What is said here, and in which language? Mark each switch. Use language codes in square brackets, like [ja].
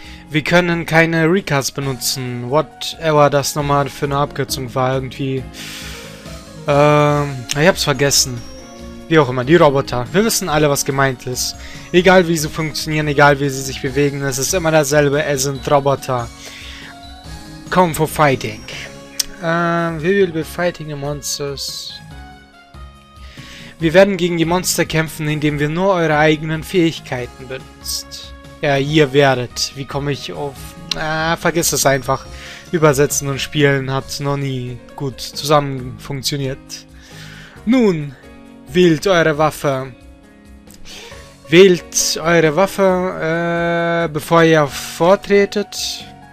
[de] Wir können keine Recars benutzen. Whatever das nochmal für eine Abkürzung war, irgendwie. Ich hab's vergessen. Wie auch immer, die Roboter. Wir wissen alle, was gemeint ist. Egal wie sie funktionieren, egal wie sie sich bewegen, es ist immer dasselbe. Es sind Roboter. [en] Come for fighting. We will be fighting the monsters. [de] Wir werden gegen die Monster kämpfen, indem wir nur eure eigenen Fähigkeiten benutzt. Ja, ihr werdet. Wie komme ich auf... vergiss es einfach. Übersetzen und spielen hat noch nie gut zusammen funktioniert. Nun, wählt eure Waffe. Wählt eure Waffe, bevor ihr vortretet.